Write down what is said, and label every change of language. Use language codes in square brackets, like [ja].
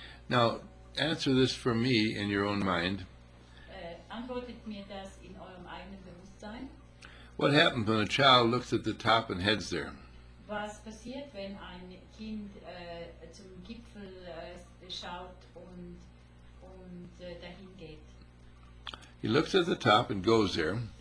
[en] Now, answer this for me in your own mind. [de] Antwortet mir das in eurem eigenen Bewusstsein. [en] What happens when a child looks at the top and heads there? [de] Was passiert, wenn ein Kind zum Gipfel schaut und dahin geht? [en] He looks at the top and goes there.